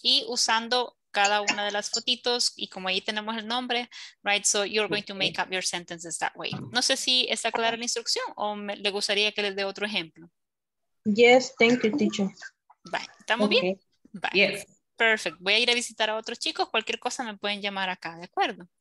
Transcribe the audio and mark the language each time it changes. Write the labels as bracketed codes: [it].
[es] Y usando cada una de las fotitos, y como ahí tenemos el nombre, [en] right? So you're going to make up your sentences that way. [es] No sé si está clara la instrucción o le gustaría que les dé otro ejemplo. [en] Yes, thank you, teacher. [es] Bye. ¿Estamos bien? Bye. [en] Yes. Perfect. [es] Voy a ir a visitar a otros chicos. Cualquier cosa me pueden llamar acá, ¿de acuerdo?